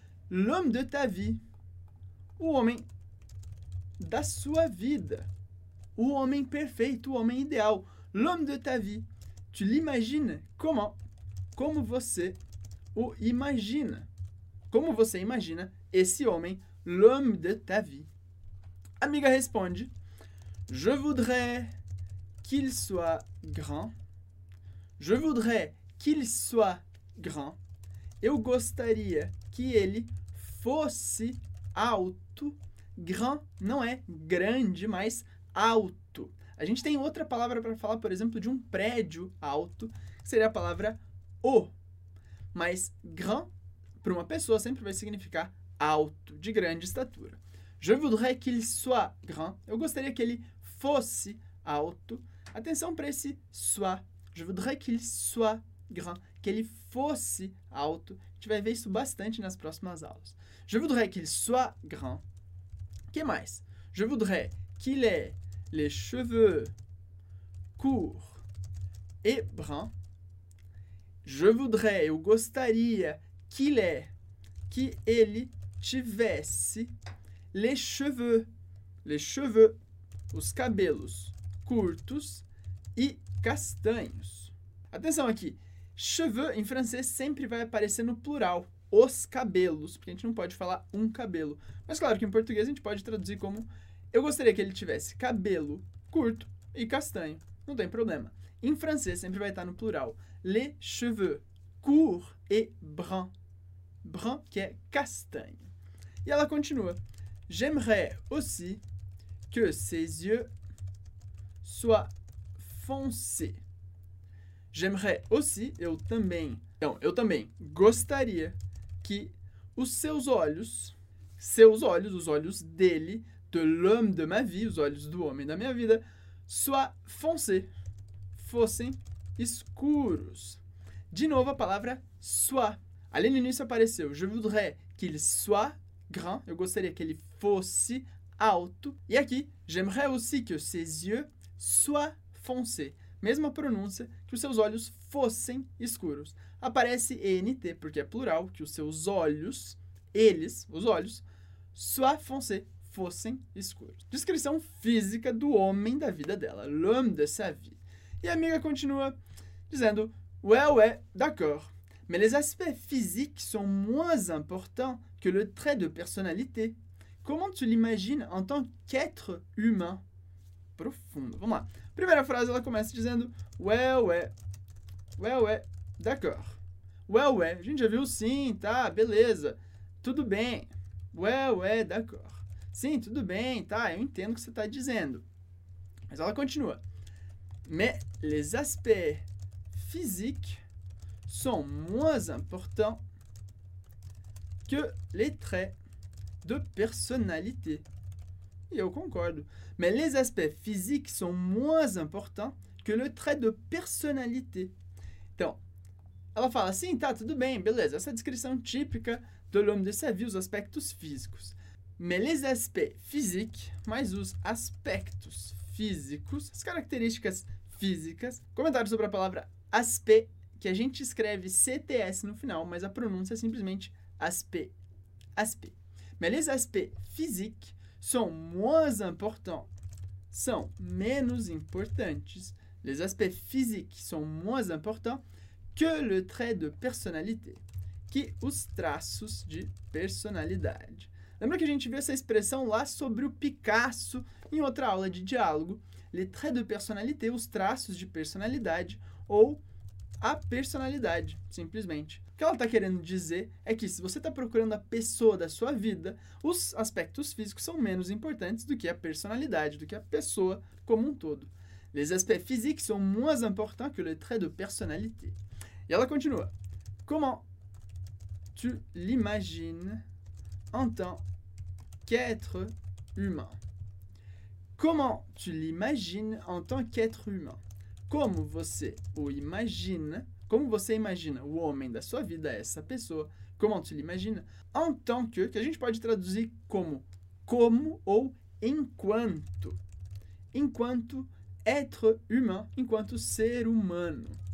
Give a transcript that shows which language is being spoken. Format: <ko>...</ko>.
<fr>L'homme de ta vie.</fr> <pt>O homem da sua vida. O homem perfeito, o homem ideal.</pt> <fr>L'homme de ta vie. Tu l'imagines comment?</fr> <pt>Como você o imagina? Como você imagina esse homem?</pt> <fr>L'homme de ta vie.</fr> <pt>Amiga responde.</pt> <fr>Je voudrais qu'il soit grand. Je voudrais qu'il soit grand.</fr> <pt>Eu gostaria que ele fosse alto. Grand não é grande, mas alto. A gente tem outra palavra para falar, por exemplo, de um prédio alto, que seria a palavra o. Mas grand, para uma pessoa, sempre vai significar alto, de grande estatura.</pt> <fr>Je voudrais qu'il soit grand.</fr> <pt>Eu gostaria que ele fosse alto. Atenção para esse soit.</pt> <fr>Je voudrais qu'il soit grand.</fr> <pt>Que ele fosse alto. A gente vai ver isso bastante nas próximas aulas.</pt> <fr>Je voudrais qu'il soit grand.</fr> <pt>Que mais?</pt> <fr>Je voudrais qu'il ait les cheveux courts et bruns. Je voudrais,</fr> <pt>eu gostaria</pt> <fr>qu'il ait,</fr> <pt>que ele tivesse</pt> <fr>les cheveux. Les cheveux.</fr> <pt>Os cabelos curtos e castanhos. Atenção aqui. Cheveux, em francês, sempre vai aparecer no plural. Os cabelos. Porque a gente não pode falar um cabelo. Mas claro que em português a gente pode traduzir como eu gostaria que ele tivesse cabelo curto e castanho. Não tem problema. Em francês sempre vai estar no plural.</pt> <fr>Les cheveux courts et bruns.</fr> <pt>Brun, que é castanho. E ela continua.</pt> <fr>J'aimerais aussi que ses yeux soient foncés. J'aimerais aussi,</fr> <pt>eu também. Então, eu também gostaria que os seus olhos, os olhos dele,</pt> <fr>de l'homme de ma vie,</fr> <pt>os olhos do homem da minha vida,</pt> <fr>soient foncés,</fr> <pt>fossem escuros. De novo a palavra soit. Ali no início apareceu,</pt> <fr>je voudrais qu'il soit grand,</fr> <pt>eu gostaria que ele fosse alto. E aqui,</pt> <fr>j'aimerais aussi que ses yeux soient foncés.</fr> <pt>Mesma pronúncia, que os seus olhos fossem escuros. Aparece ENT, porque é plural, que os seus olhos, eles, os olhos,</pt> <fr>soient foncés,</fr> <pt>fossem escuros. Descrição física do homem da vida dela,</pt> <fr>l'homme de sa vie.</fr> <pt>E a amiga continua dizendo,</pt> <fr>ouais, d'accord. Mais les aspects physiques sont moins importants que le trait de personnalité. Comment tu l'imagines en tant qu'être humain?</fr> <pt>Profundo, vamos lá. Primeira frase, ela começa dizendo,</pt> <fr>ouais, d'accord. Ouais,</fr> <pt>a gente já viu, sim, tá, beleza, tudo bem.</pt> <fr>Ouais, d'accord.</fr> <pt>Sim, tudo bem, tá, eu entendo o que você está dizendo. Mas ela continua.</pt> <fr>Mais les aspects physiques sont moins importants que les traits de personnalité.</fr> <pt>E eu concordo.</pt> <fr>Mais les aspects physiques sont moins importants que le trait de personnalité.</fr> <pt>Então, ela fala assim, tá, tudo bem, beleza. Essa é a descrição típica de</pt> <fr>l'homme de sa vie,</fr> <pt>os aspectos físicos.</pt> <fr>Mais les aspects physiques,</fr> <pt>mais os aspectos físicos, as características físicas. Comentário sobre a palavra aspect, que a gente escreve CTS no final, mas a pronúncia é simplesmente aspect.</pt> <fr>Aspect. Mais les aspects physiques sont moins importants.</fr> <pt>São menos importantes.</pt> <fr>Les aspects physiques sont moins importants que le trait de personnalité.</fr> <pt>que os traços de personalidade. Lembra que a gente viu essa expressão lá sobre o Picasso em outra aula de diálogo?</pt> <fr>Les traits de personnalité,</fr> <pt>os traços de personalidade, ou a personalidade, simplesmente. O que ela está querendo dizer é que se você está procurando a pessoa da sua vida, os aspectos físicos são menos importantes do que a personalidade, do que a pessoa como um todo.</pt> <fr>Les aspects physiques sont moins importants que les traits de personnalité. E ela continua. Comment tu l'imagines en tant qu'être humain? Comment tu l'imagines en tant qu'être humain?</fr> <pt>Como você o imagina? Como você imagina o homem da sua vida, essa pessoa?</pt> <fr>Comment tu l'imagines en tant que</fr> <pt>a gente pode traduzir como ou enquanto. Enquanto</pt> <fr>être humain,</fr> <pt>enquanto ser humano.</pt>